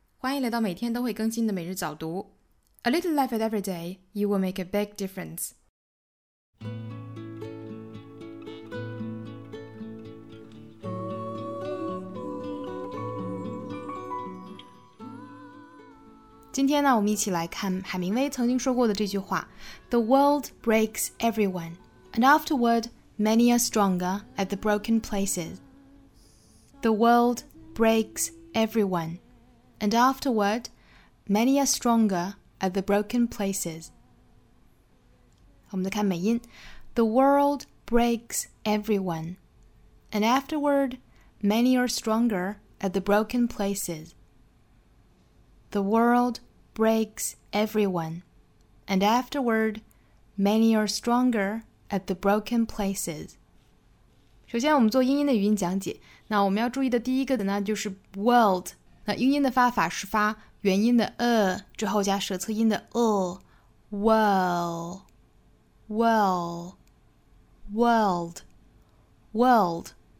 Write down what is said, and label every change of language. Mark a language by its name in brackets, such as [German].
[Chinese] 欢迎来到每天都会更新的每日早读。 [English] A little life at every day, you will make a big difference. Today, we're going to look at Hemingway's once said this line, The world breaks everyone, and afterward, many are stronger at the broken places. The world breaks everyone, and afterward, many are stronger at the broken places. 我们再看美音 The world breaks everyone, and afterward, many are stronger at the broken places. The world breaks everyone, and afterward, many are stronger at the broken places. [Chinese] 首先我们做英音的语音讲解，那我们要注意的第一个的呢就是 world， 那英音的发法是发元音的 之后加舌侧音的 world，